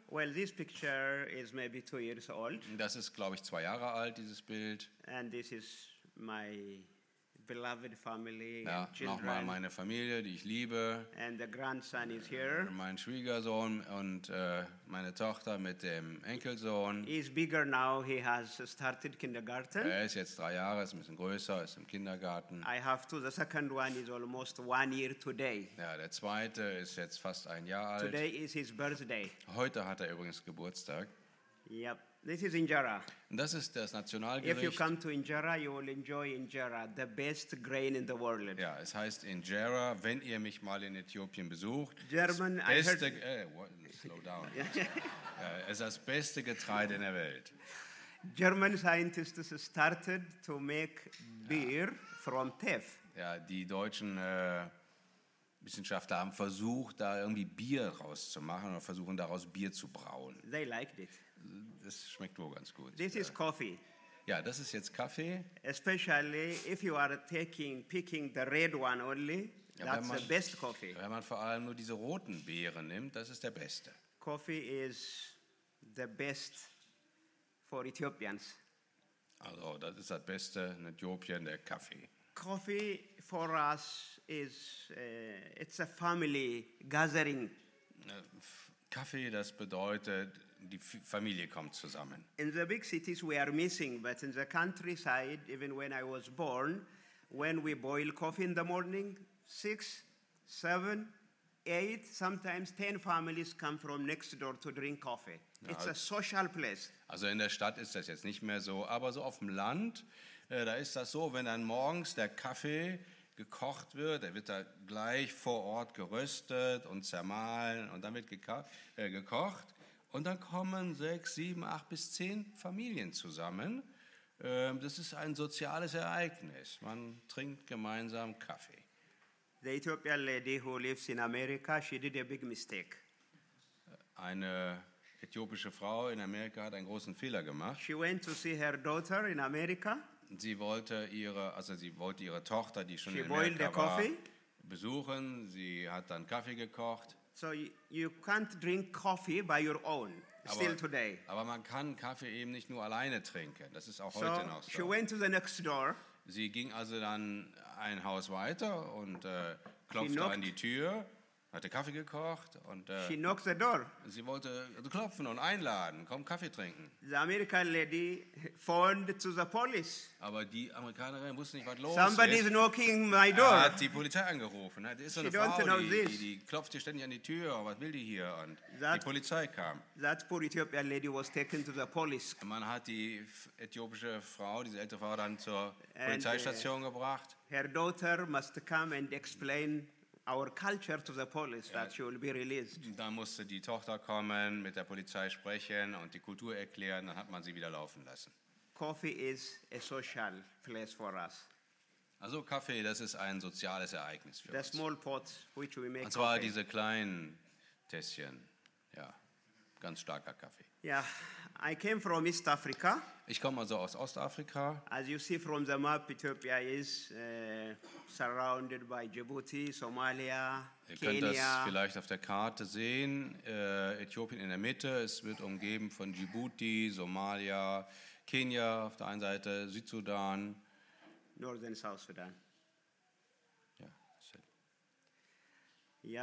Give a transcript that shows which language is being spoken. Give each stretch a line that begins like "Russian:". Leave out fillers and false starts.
English: Well, this picture is maybe 2 years old.
German: Das ist, glaube ich, 2 Jahre alt, dieses Bild.
English: And this is my beloved family
German: ja,
English: and children.
German: Nochmal meine Familie, die ich liebe.
English: And the grandson is here.
German: Mein Schwiegersohn und meine Tochter mit dem Enkelsohn.
English: He is bigger now. He has started kindergarten.
German: Er ist jetzt 3 Jahre, ist ein bisschen größer, ist im Kindergarten.
English: I have two. The second one is almost 1 year today.
German: Ja, der zweite ist jetzt fast 1 Jahr alt.
English: Today is his birthday.
German: Heute hat er übrigens Geburtstag.
English: Yep. This is Injera.
German: Das ist das Nationalgericht.
English: If you come to Injera, you will enjoy Injera, the best grain in the world.
German: Ja, es heißt Injera, wenn ihr mich mal in Äthiopien besucht.
English: German,
German: beste,
English: I heard... slow down.
German: Es ist das beste Getreide in der Welt.
English: German scientists started to make beer ja. from teff.
German: Ja, die deutschen Wissenschaftler haben versucht, da irgendwie Bier rauszumachen oder versuchen, daraus Bier zu brauen.
English: They liked it.
German: Das schmeckt wohl ganz gut.
English: This is coffee.
German: Ja, das ist jetzt Kaffee.
English: Especially if you are picking the red one only, that's
German: man,
English: the best coffee.
German: Wenn man vor allem nur diese roten Beeren nimmt, das ist der beste.
English: Coffee is the best for Ethiopians.
German: Also, das ist das Beste in Äthiopien, der Kaffee.
English: Coffee for us is it's a family gathering.
German: Kaffee, das bedeutet, die Familie kommt zusammen.
English: In the big cities we are missing, but in the countryside, even when I was born, when we boil coffee in the morning, 6, 7, 8, sometimes 10 families come from next door to drink coffee. It's a social place.
German: Also in der Stadt ist das jetzt nicht mehr so, aber so auf dem Land, da ist das so, wenn dann morgens der Kaffee gekocht wird, der wird da gleich vor Ort geröstet und zermahlen und dann wird gekocht. Und dann kommen 6, 7, 8 bis 10 Familien zusammen. Das ist ein soziales Ereignis. Man trinkt gemeinsam Kaffee.
English: The Ethiopian lady who lives in America, she did a big mistake.
German: Eine äthiopische Frau in Amerika hat einen großen Fehler gemacht.
English: She went to see her daughter in America.
German: Sie wollte ihre Tochter, die schon
English: she
German: in Amerika war,
English: coffee.
German: Besuchen. Sie hat dann Kaffee gekocht.
English: So you can't drink coffee by your own, still today.
German: Aber man kann Kaffee eben nicht nur alleine trinken. Das ist auch so heute noch so.
English: She went to the next door.
German: Sie ging also dann ein Haus weiter und klopfte an die Tür, hatte Kaffee gekocht. Und,
English: she knocked the door.
German: Sie wollte klopfen und einladen, komm Kaffee trinken.
English: The American lady phoned to the police.
German: Aber die Amerikanerin wusste nicht, was los ist.
English: Somebody is knocking my door.
German: Er hat die Polizei angerufen. Da ist so eine
English: she
German: Frau, die klopft hier ständig an die Tür. Was will die hier? Und
English: that,
German: die Polizei kam.
English: That poor Ethiopian lady was taken to the police.
German: Man hat die äthiopische Frau, diese ältere Frau, dann zur Polizeistation gebracht.
English: Her daughter must come and explain our culture to the police, that she will be released.
German: Da musste die Tochter kommen, mit der Polizei sprechen und die Kultur erklären, dann hat man sie wieder laufen lassen.
English: Coffee is a social place for us.
German: Also Kaffee, das ist ein soziales Ereignis für
English: the
German: uns.
English: The small pots which we make
German: und zwar
English: coffee.
German: Diese kleinen Tässchen, ja, ganz starker Kaffee.
English: Yeah, I came from East Africa.
German: Ich komme also aus Ostafrika.
English: As you see from the map, Ethiopia is surrounded by Djibouti, Somalia, Kenya.
German: Ihr könnt das vielleicht auf der Karte sehen. Äthiopien in der Mitte. Es wird umgeben von Djibouti, Somalia, Kenia auf der einen Seite, Südsudan.
English: Northern South Sudan.
German: Ja.